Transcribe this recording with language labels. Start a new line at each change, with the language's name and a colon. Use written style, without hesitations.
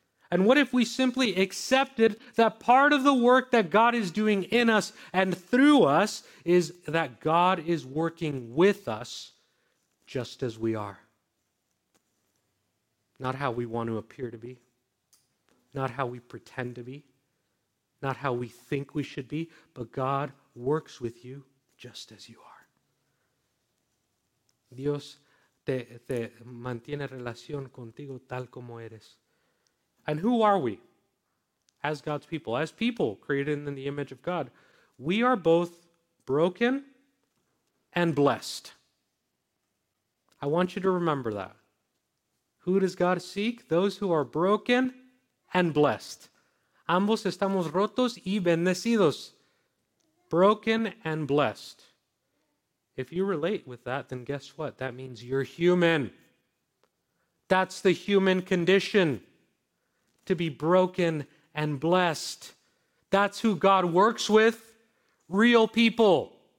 English: And what if we simply accepted that part of the work that God is doing in us and through us is that God is working with us just as we are? Not how we want to appear to be. Not how we pretend to be. Not how we think we should be. But God works with you just as you are.
Spanish: Dios te mantiene relación contigo tal como eres.
English: And who are we as God's people, as people created in the image of God? We are both broken and blessed. I want you to remember that. Who does God seek? Those who are broken and blessed.
Spanish: Ambos estamos rotos y bendecidos.
English: Broken and blessed. If you relate with that, then guess what? That means you're human. That's the human condition. To be broken and blessed. That's who God works with. Real people.